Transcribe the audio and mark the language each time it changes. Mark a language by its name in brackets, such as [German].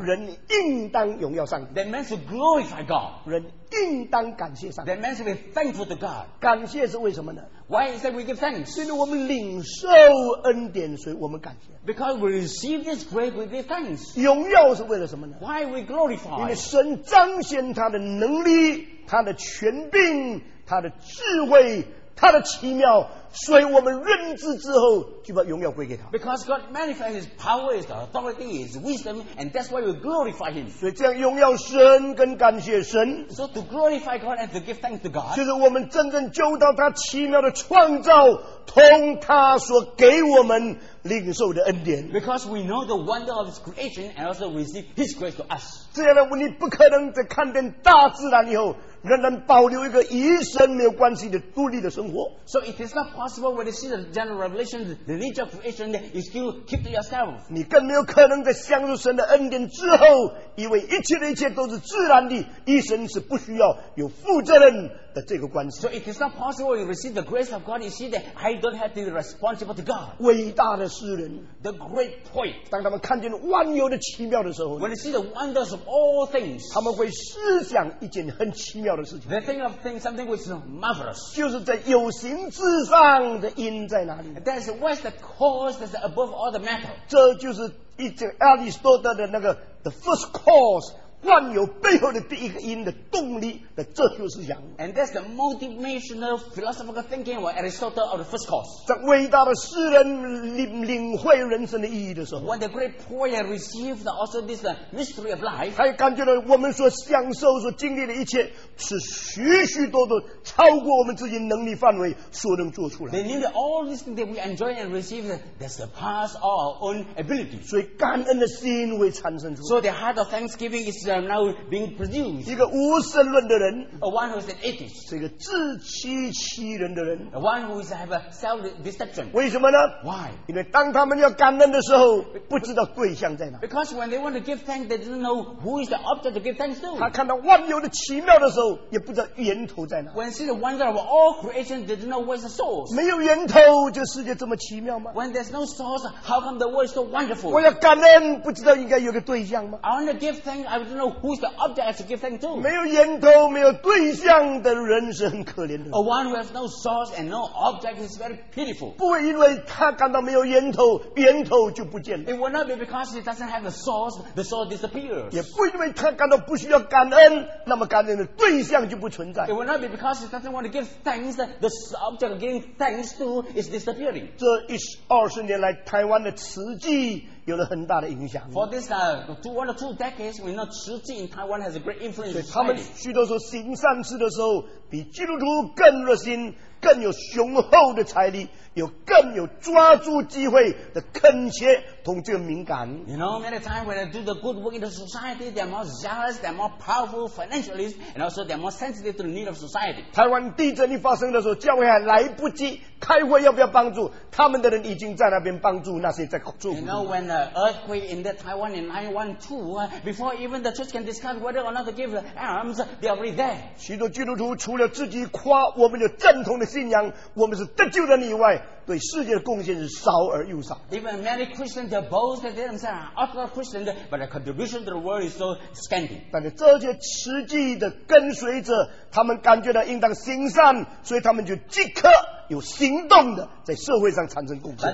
[Chinese] 人应当荣耀上帝。 [English] That men should glorify God. [Chinese] 人应当感谢上帝。 [English] That men should be thankful to God. [Chinese] 感谢是为什么呢？ [English] Why is that we give thanks? [Chinese] 因为我们领受恩典，所以我们感谢。 [English] Because we receive this grace, we give thanks. [Chinese] 荣耀是为了什么呢 [English] ？Why we glorify? [Chinese] 因为神彰显他的能力、他的权柄、他的智慧、他的奇妙，所以我们认知之后就把荣耀归给他。 [English] Because God manifests His power, His authority, His wisdom, and that's why we glorify Him. [Chinese] 所以这样荣耀神跟感谢神。 [English] So to glorify God and to give thanks to God. [Chinese] 就是我们真正就到他奇妙的创造，同他所给我们领受的恩典。 [English] Because we know the wonder of His creation and also receive His grace to us. [Chinese] 这样呢，你不可能在看见大自然以后，仍然保留一个与神没有关系的独立的生活。 [English] So it is not possible when you see the general revelation, the nature of creation, you still keep to yourself. [Chinese] 你更没有可能在享受神的恩典之后，以为一切的一切都是自然的，与神是不需要有负责任的这个关系。 [English] So it is not possible you receive the grace of God, you see that I don't have to be responsible to God. [Chinese] 伟大的诗人 [English] The great poet. [Chinese] 当他们看见万有的奇妙的时候 [English] When you see the wonders of all things. [Chinese] 他们会思想一件很奇妙的事情 [English] They think of things, something which is marvelous. [Chinese] 就是在有形之上的因在哪里 [English] That's what's the cause that's above all the matter. [Chinese] 这就是一整亚里士多德的那个 [English] The first cause. [Chinese] 万有背后的第一个因的动力的哲学思想 [English] and that's the motivational philosophical thinking of Aristotle of the first cause [Chinese] 在伟大的诗人 领会人生的意义的时候 [English] when the great poet received also this mystery of life [Chinese] 他也感觉到我们所享受所经历的一切是许许多多超过我们自己能力范围所能做出来 [English] they knew that all these things that we enjoy and receive that surpass all our own ability [Chinese] 所以感恩的心会产生出来 [English] so the heart of thanksgiving is are now being produced. [Chinese] 一个无神论的人 [English] a one who is an atheist. [Chinese] 是一个自欺欺人的人 [English] a one who is have a self-deception. [Chinese] 为什么呢 [English] Why? [Chinese] 因为当他们要感恩的时候不知道对象在哪 [English] Because when they want to give thanks, they don't know who is the object to give thanks to. [Chinese] 他看到万有的奇妙的时候也不知道源头在哪 [English] When see the wonder of all creation, they don't know where's the source. [Chinese] 没有源头这世界这么奇妙吗 [English] When there's no source, how come the world is so wonderful? [Chinese] 我要感恩不知道应该有个对象吗 [English] I want to give thanks, I don't know who is the object I should give thanks to. [Chinese] 没有源头没有对象的人是很可怜的。 [English] A one who has no source and no object is very pitiful. [Chinese] 不会因为他感到没有源头源头就不见了。 [English] It will not be because he doesn't have a source, the source disappears. [Chinese] 也不因为他感到不需要感恩那么感恩的对象就不存在。 [English] It will not be because he doesn't want to give thanks, the object of giving thanks to is disappearing. [Chinese] 这20年来台湾的慈济有了很大的影响。 [English] For this one or two decades, we know 慈济 in Taiwan has a great influence. [Chinese] 他们许多时候行善事的时候，比基督徒更热心，更有雄厚的财力，有更有抓住机会的恳切同这个敏感。 [English] You know, many times when they do the good work in the society, they are more zealous, they are more powerful financially, and also they are more sensitive to the need of society. [Chinese] 台湾地震一发生的时候，教会还来不及开会要不要帮助，他们的人已经在那边帮助那些在做苦的。 [English] You know, when the earthquake in the Taiwan in 912, before even the church can discuss whether or not to give alms, they are already there. [Chinese] 许多基督徒除了自己夸我们有正统的信仰，我们是得救的人以外，对世界的贡献是少而又少。 [English] Even many Christians boast that they themselves are orthodox Christians, but their contribution to the world is so scanty. [Chinese] 但是这些慈济的跟随者，他们感觉到应当行善，所以他们就即刻有行动的在社会上产生贡献。